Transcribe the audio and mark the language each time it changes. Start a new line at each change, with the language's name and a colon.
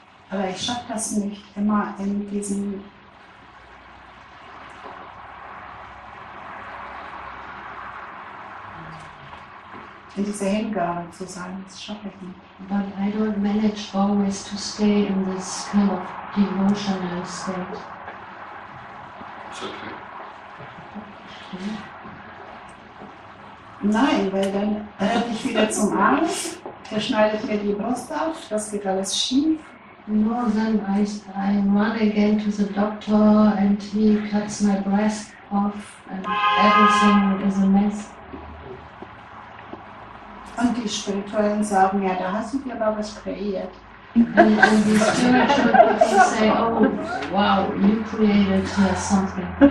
German: Aber ich schaffe das nicht immer in diesem in dieser Hingabe zu sein, das schaffe ich nicht.
English: But I don't manage always to stay in this kind of devotional state. It's okay.
German: Nein, weil dann renne ich wieder zum Arsch, der schneidet mir die Brust auf, das geht alles schief.
English: No, then I run again to the doctor and he cuts my breast off and everything is a mess.
German: Und die Spirituellen sagen, ja, da hast du dir aber was kreiert.
English: And the spiritual people say, oh, wow, you created something.